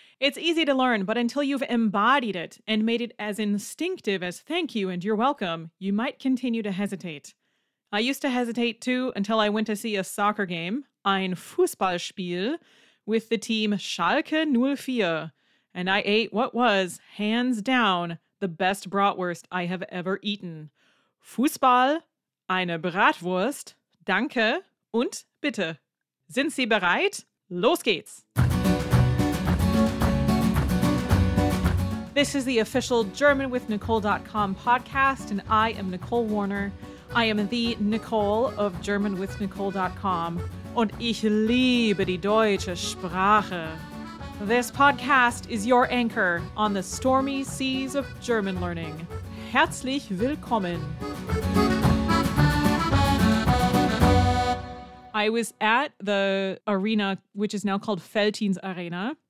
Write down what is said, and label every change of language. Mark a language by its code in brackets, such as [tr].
[en] It's easy to learn, but until you've embodied it and made it as instinctive as thank you and you're welcome, you might continue to hesitate. I used to hesitate too until I went to see a soccer game, [de] ein Fußballspiel, [en] with the team Schalke 04, and I ate what was, hands down, the best bratwurst I have ever eaten. [de] Fußball, eine Bratwurst, danke und bitte. Sind Sie bereit? Los geht's! [en] This is the official GermanWithNicole.com podcast, and I am Nicole Warner. I am the Nicole of GermanWithNicole.com, [de] und ich liebe die deutsche Sprache. [en] This podcast is your anchor on the stormy seas of German learning. [de] Herzlich willkommen. [en] I was at the arena, which is now called Veltins Arena.